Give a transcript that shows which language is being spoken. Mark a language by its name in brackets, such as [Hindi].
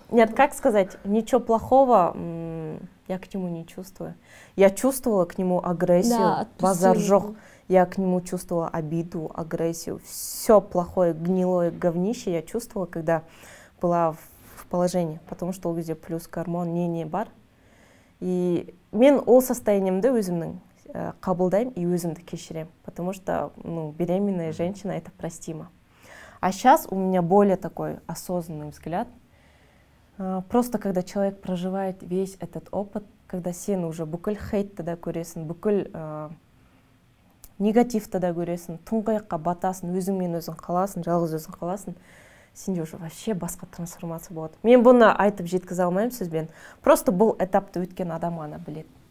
[Russian] Нет, как сказать, ничего плохого... Я к нему не чувствую. Я чувствовала к нему агрессию, да, [Kazakh] базар жоқ. [Russian] Я к нему чувствовала обиду, агрессию. Все плохое, гнилое говнище я чувствовала, когда была в положении. Потому что везде плюс гормон, не бар. [Kazakh] И мен ол [Russian] состояниемді [Kazakh] өзімнің қабылдайым и өзімді кешірем. [Russian] Потому что, ну, беременная женщина – это простимо. А сейчас у меня более такой осознанный взгляд. Просто когда человек проживает весь этот опыт, когда сен [Kazakh] уже бүкіл хейт тада көресін, бүкіл негатив тада көресін, тұңғайыққа батасын, өзіңмен өзің қаласын, жалғыз өзің қаласын, сенде уже вообще басқа трансформация болады. Мен бұны айтып жеткізе алмаймын сізбен. Просто бұл этапты өткен адам ғана біледі.